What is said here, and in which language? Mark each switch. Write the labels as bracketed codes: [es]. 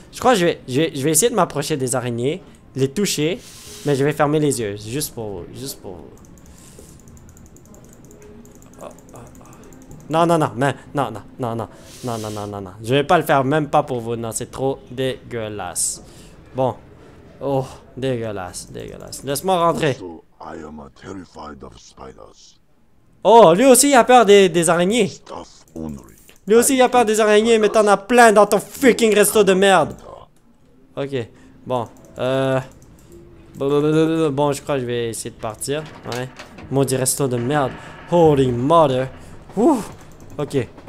[fr] Je crois que je vais essayer de m'approcher des araignées, les toucher, mais je vais fermer les yeux, juste pour... Oh, oh, oh. Non, non, non, mais... Non, non, non, non, non, non, non, non, non. Je vais pas le faire, même pas pour vous, non, c'est trop dégueulasse. Bon. Oh, dégueulasse, dégueulasse. Laisse-moi rentrer. [en] I am terrified of spiders. [fr] Oh, lui aussi il a peur des araignées. Lui aussi il a peur des araignées, mais t'en as plein dans ton fucking resto de merde. Ok, bon. Bon, je crois que je vais essayer de partir. Ouais. Maudit resto de merde. [en] Holy mother. [fr] Ouf. Ok.